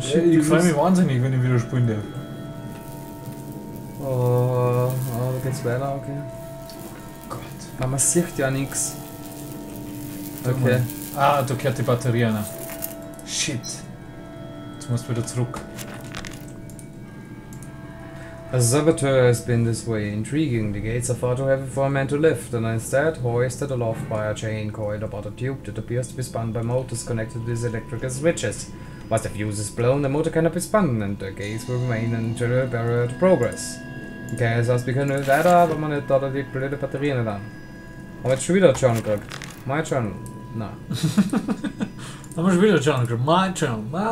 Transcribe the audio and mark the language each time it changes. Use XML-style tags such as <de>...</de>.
<de>Schiff. Ja, ich freue mich wahnsinnig, wenn ich wieder spielen darf. Oh, da geht's weiter, okay. Oh Gott. Aber man sieht ja nichts. Okay. Ah, da gehört die Batterie rein. Shit. Jetzt musst du wieder zurück.</de> <en>A saboteur has been this way intriguing. The gates are far too heavy for a man to lift, and instead hoisted aloft by a chain coiled about a tube that appears to be spun by motors connected to these electrical switches. Once the fuse is blown, the motor cannot be spun, and the gates will remain an interior barrier to progress.</en> <de>Okay, es hat begonnen weiter, aber man hat da die blöde Batterien dann. Haben wir jetzt schon wieder John gekriegt?</de> <en>My turn. Na.</en> <de>Haben wir schon wieder John gekriegt?</de> <en>My turn.</en>